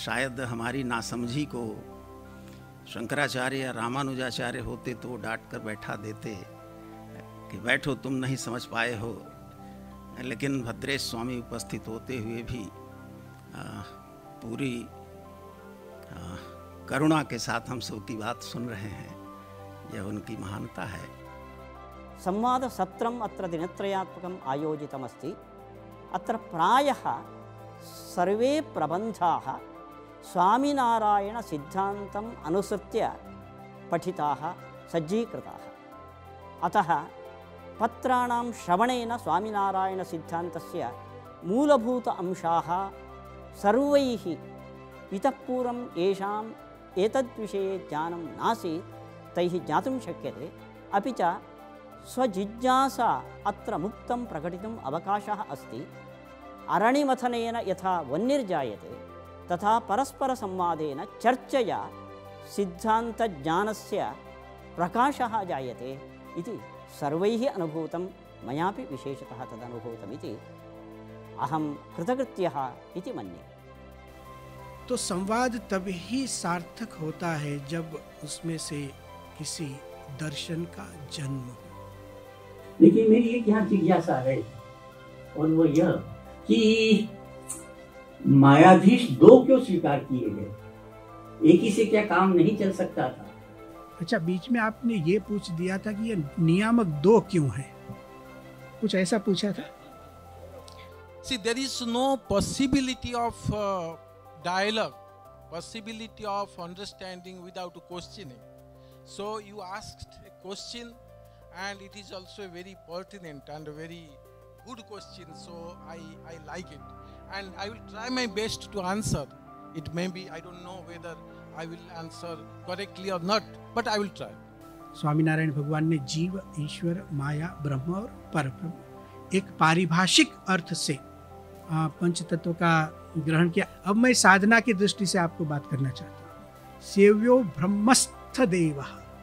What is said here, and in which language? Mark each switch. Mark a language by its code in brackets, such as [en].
[hi] शायद हमारी नासमझी को शंकराचार्य या रामानुजाचार्य होते तो डांट कर बैठा देते कि बैठो, तुम नहीं समझ पाए हो, लेकिन भद्रेश स्वामी उपस्थित होते हुए भी पूरी करुणा के साथ हम सबकी बात सुन रहे हैं, यह उनकी महानता है। [sa] संवाद सत्रम अत्र दिनत्रयात्मकम् आयोजितमस्ति। अत्र प्रायः सर्वे प्रबन्धाः स्वामीनारायण सिद्धान्तम् अनुसृत्य पठिताः सज्जीकृताः। अतः पत्राणां श्रवणेन स्वामीनारायण सिद्धान्तस्य मूलभूत अंशाः सर्वैः इतःपूर्वं येषां एतद्विषये ज्ञानं नासीत् तैः ज्ञातुं शक्यते, अपि च स्वजिज्ञासा अत्र मुक्तं प्रकटितुम् अवकाशः अस्ति। अरणिमथनेन यथा वन्निर्जायते तथा परस्परसंवादेन चर्चया सिद्धान्तज्ञानस्य प्रकाशः जायते इति सर्वैः अनुभूतं, मयापि विशेषतः तदनुभूतमिति अहं कृतकृत्यः इति मन्ये। [hi] तो संवाद तभी सार्थक होता है जब उसमें से किसी दर्शन का जन्म। लेकिन मेरी एक यहाँ जिज्ञासा है और वो यह कि मायाधीश दो क्यों स्वीकार किए गए, एक ही से क्या काम नहीं चल सकता था? अच्छा, बीच में आपने ये पूछ दिया था कि ये नियामक दो क्यों हैं, कुछ ऐसा पूछा था? [en] See, there is no possibility of dialogue, possibility of understanding without questioning. So you asked a question and it is also a very pertinent and a very good question, so I like it and I will try my best to answer it. Maybe I don't know whether I will answer correctly or not, but I will try. [hi] Swaminarayan भगवान ने जीव, ईश्वर, माया, ब्रह्म और परब्रह्म एक पारिभाषिक अर्थ से पंच तत्व का ग्रहण किया। अब मैं साधना की दृष्टि से आपको बात करना चाहता हूँ। [sa] सेव्यो ब्रह्मस्थ देवः,